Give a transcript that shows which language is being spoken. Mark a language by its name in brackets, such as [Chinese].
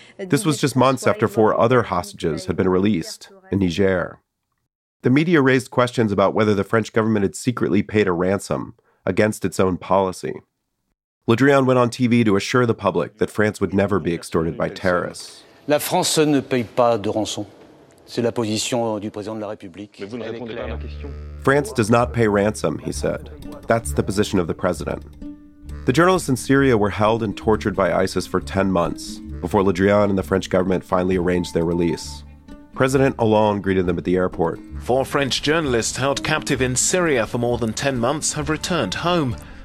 [English] This was just months after four other hostages had been released in Niger. The media raised questions about whether the French government had secretly paid a ransom against its own policy. Le Drian went on TV to assure the public that France would never be extorted by terrorists. [French] La France ne paye pas de rançon. C'est la position du président de la République. Mais vous ne répondez pas à ma question. [English] France does not pay ransom, he said. That's the position of the president. The journalists in Syria were held and tortured by ISIS for 10 months before Le Drian and the French government finally arranged their release. President Hollande greeted them at the airport. Four French journalists held captive in Syria for more than 10 months have returned home.